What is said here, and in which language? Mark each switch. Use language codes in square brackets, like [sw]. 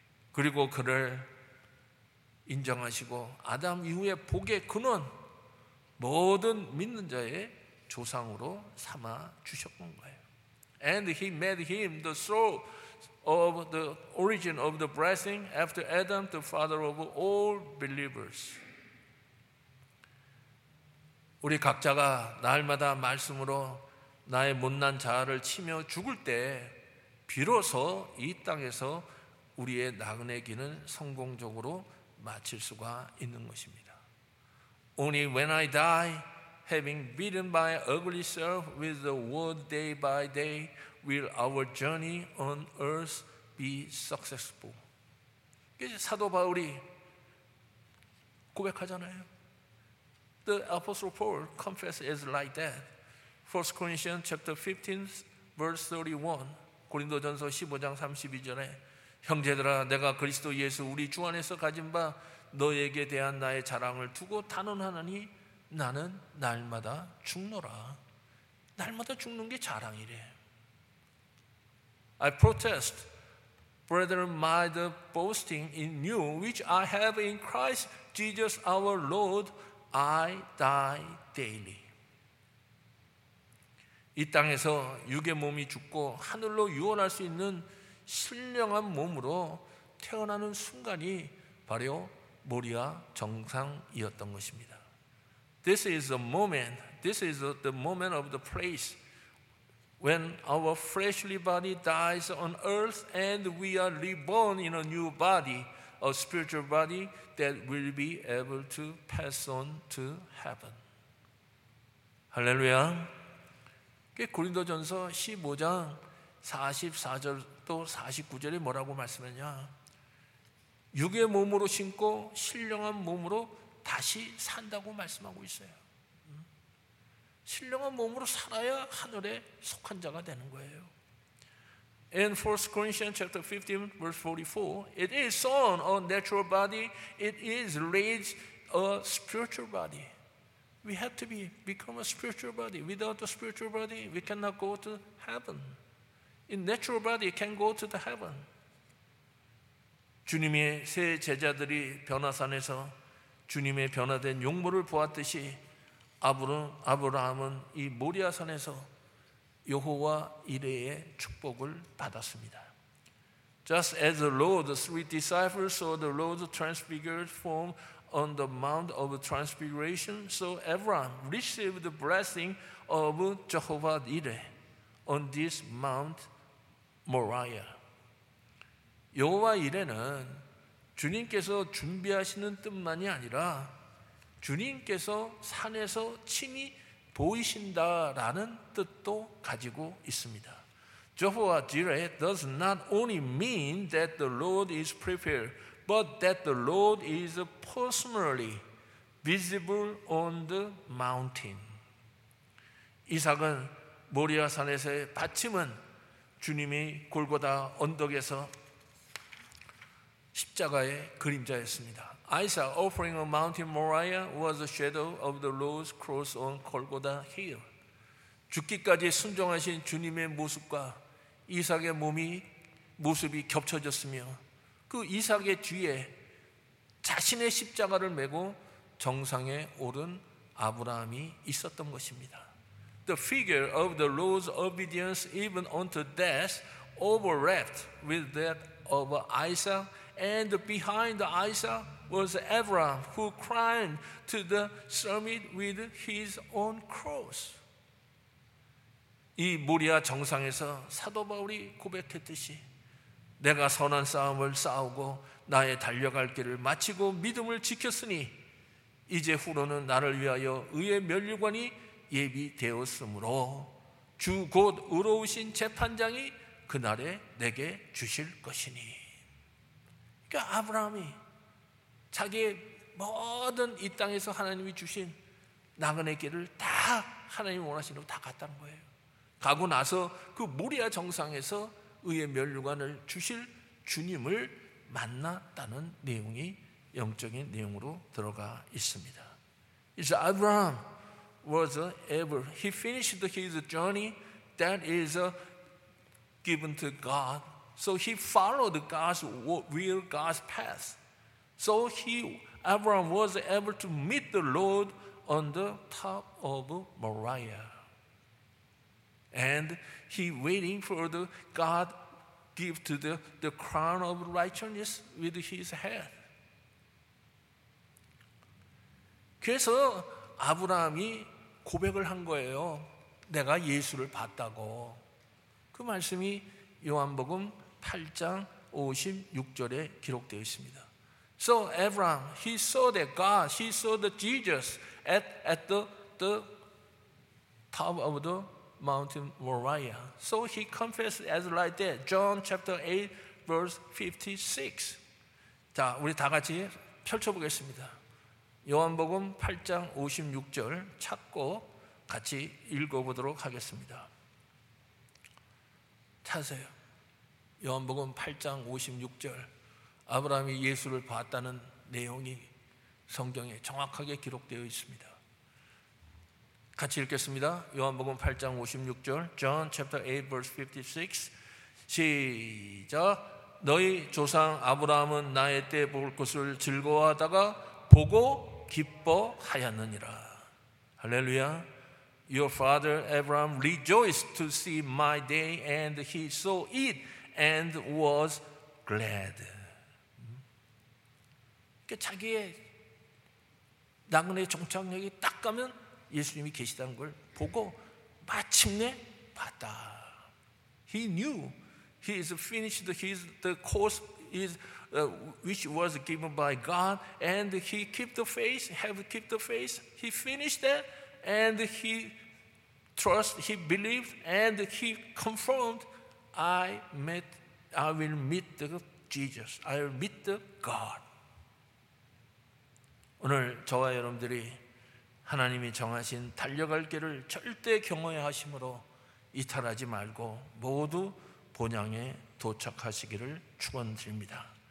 [ko] 그리고 그를 인정하시고 아담 이후의 복의 근원, 모든 믿는 자의 조상으로 삼아 주셨던 거예요. [en] And he made him the soul of the origin of the blessing after Adam, the father of all believers. [ko] 우리 각자가 날마다 말씀으로 나의 못난 자아를 치며 죽을 때 비로소 이 땅에서 우리의 나그네 길은 성공적으로 마칠 수가 있는 것입니다. [en] Only when I die, having beaten my ugly self with the word day by day, will our journey on earth be successful. [ko] 사도 바울이 고백하잖아요. [en] The Apostle Paul confesses like that. 1 Corinthians chapter 15, verse 31. [ko] 고린도전서 15장 32절에 형제들아 내가 그리스도 예수 우리 주 안에서 가진 바 너에게 대한 나의 자랑을 두고 단언하느니 나는 날마다 죽노라. 날마다 죽는 게 자랑이래. [en] I protest, brethren, my boasting in you, which I have in Christ Jesus our Lord, I die daily. [ko] 이 땅에서 육의 몸이 죽고 하늘로 유언할 수 있는 신령한 몸으로 태어나는 순간이 바로 모리아 정상이었던 것입니다. [en] This is the moment. This is the moment of the place when our fleshly body dies on earth and we are reborn in a new body, a spiritual body that will be able to pass on to heaven. [ko] 할렐루야. 고린도전서 15장 44절 또 49절에 뭐라고 말씀했냐? 육의 몸으로 신고 신령한 몸으로 다시 산다고 말씀하고 있어요. 신령한 몸으로 살아야 하늘에 속한 자가 되는 거예요. [en] In 1 Corinthians chapter 15 verse 44, it is sown a natural body, it is raised a spiritual body. We have to become a spiritual body. Without the spiritual body, we cannot go to heaven. In natural body, can go to the heaven. [ko] 주님의 새 제자들이 변화산에서 주님의 변화된 용모를 보았듯이 아브라함은 이 모리아산에서 여호와 이레의 축복을 받았습니다. [en] Just as the Lord, the three disciples saw the Lord's transfigured form on the Mount of Transfiguration, so Abraham received the blessing of Jehovah Ireh on this Mount Moriah. [ko] 여호와 이레는 주님께서 준비하시는 뜻만이 아니라 주님께서 산에서 친히 보이신다라는 뜻도 가지고 있습니다. [en] Jehovah Ireh does not only mean that the Lord is prepared, but that the Lord is personally visible on the mountain. [ko] 이삭은 모리아 산에서의 받침은 주님이 골고다 언덕에서 십자가의 그림자였습니다. [en] Isaac offering on Mount Moriah was a shadow of the Lord's cross on Golgotha Hill. [ko] 죽기까지 순종하신 주님의 모습과 이삭의 몸이 모습이 겹쳐졌으며 그 이삭의 뒤에 자신의 십자가를 메고 정상에 오른 아브라함이 있었던 것입니다. [en] The figure of the Lord's obedience even unto death overlapped with that of Isaac, and behind Isaac was Abraham who climbed to the summit with his own cross. [ko] 이 모리아 정상에서 사도 바울이 고백했듯이 내가 선한 싸움을 싸우고 나의 달려갈 길을 마치고 믿음을 지켰으니 이제 후로는 나를 위하여 의의 면류관이 예비되었으므로 주 곧 의로우신 재판장이 그날에 내게 주실 것이니. 그러니까 아브라함이 자기의 모든 이 땅에서 하나님이 주신 나그네 길을 다 하나님 원하시는 대로 다 갔다는 거예요. 가고 나서 그 모리아 정상에서 의의 면류관을 주실 주님을 만났다는 내용이 영적인 내용으로 들어가 있습니다. [en] It's Abraham was ever. He finished his journey that is given to God. So he followed God's will, God's path. So he, Abraham, was able to meet the Lord on the top of Moriah. And he waiting for the God give to the crown of righteousness with his head. [ko] 그래서 아브라함이 고백을 한 거예요. 내가 예수를 봤다고. 그 말씀이 요한복음 8장 56절에 기록되어 있습니다. [en] So Abraham, he saw that God, he saw the Jesus at the top of the Mount Moriah. So he confessed as like that. John chapter 8, verse 56. [ko] 자, 우리 다 같이 펼쳐보겠습니다. 요한복음 8장 56절 찾고 같이 읽어보도록 하겠습니다. 찾으세요. 요한복음 8장 56절. 아브라함이 예수를 봤다는 내용이 성경에 정확하게 기록되어 있습니다. 같이 읽겠습니다. 요한복음 8장 56절, [en] John chapter 8 verse 56. [ko] 시작. 너희 조상 아브라함은 나의 때 볼 것을 즐거워하다가 보고 기뻐하였느니라. 할렐루야. [en] Your father Abraham rejoiced to see my day and he saw it and was glad. [ko] 자기의 낙원의 종착역이 딱 가면 예수님이 계시다는 걸 보고 마침내 봤다. [en] He knew he is finished his the course is which was given by God and he keep the faith, have keep the faith. He finished that and he trust, he believed and he confirmed I will meet the God. [ko] 오늘 저와 여러분들이 하나님이 정하신 달려갈 길을 절대 경외 하심으로 이탈하지 말고 모두 본향에 도착하시기를 축원드립니다.